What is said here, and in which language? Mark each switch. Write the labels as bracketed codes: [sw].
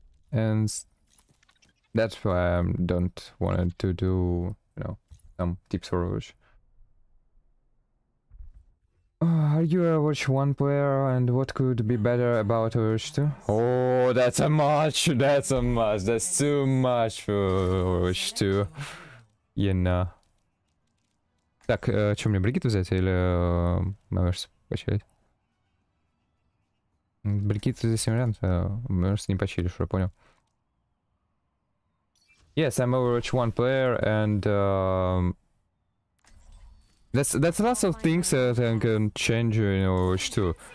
[en] And that's why I don't want to do, you know, some tips for Rouge. Are you a Overwatch 1 player, and what could be better about Overwatch 2? Oh, that's a much, that's a much, that's too much for Overwatch 2. Yena. [ru] Так, что, мне Бригит взять или Мэверс почилить? Бригит здесь не вариант, Мэверс не почилишь, что я понял. [en] Yes, I'm Overwatch 1 player, and That's lots of things that can change in Overwatch 2.